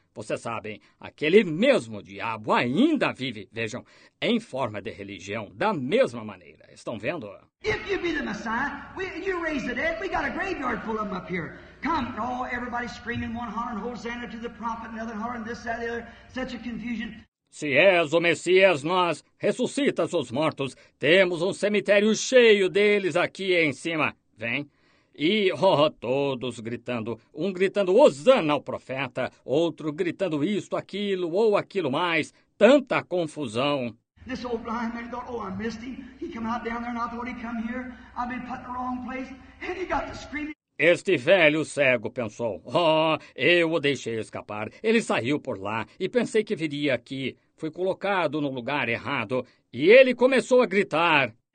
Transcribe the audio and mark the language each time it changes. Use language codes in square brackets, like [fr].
[pt] Vocês sabem, aquele mesmo diabo ainda vive, vejam, em forma de religião, da mesma maneira. Estão vendo? [en] If you be the Messiah, you raise the dead, we got a graveyard full of them up here. Come, oh, everybody screaming, one hollering Hosanna to the prophet, another hollering this, that, the other, such a confusion. [pt] Se és o Messias, nós ressuscitas os mortos. Temos um cemitério cheio deles aqui em cima. Vem. E oh, todos gritando, um gritando Hosana ao profeta, outro gritando isto, aquilo ou aquilo mais. Tanta confusão. [en] This old blind man thought, oh, I missed him. He come out down there and I thought he'd come here. I've been put in the wrong place. And he got to screaming. [pt] Este velho cego pensou, oh, eu o deixei escapar. Ele saiu por lá e pensei que viria aqui. Fui colocado no lugar errado e ele começou a gritar.